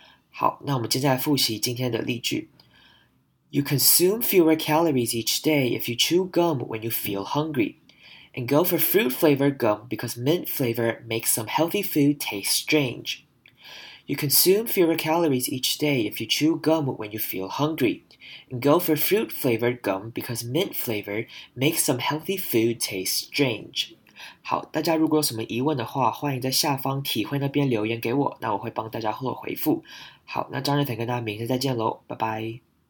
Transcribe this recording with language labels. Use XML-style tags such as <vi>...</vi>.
<zh>好，那我们接下来复习今天的例句。</zh> <en>You consume fewer calories each day if you chew gum when you feel hungry, and go for fruit-flavored gum because mint flavor makes some healthy food taste strange. You consume fewer calories each day if you chew gum when you feel hungry, and go for fruit-flavored gum because mint flavor makes some healthy food taste strange.</en> <zh>好，大家如果有什么疑问的话，欢迎在下方体会那边留言给我，那我会帮大家后回复。好，那 Jonathan 跟大家明天再见咯，拜拜。</zh>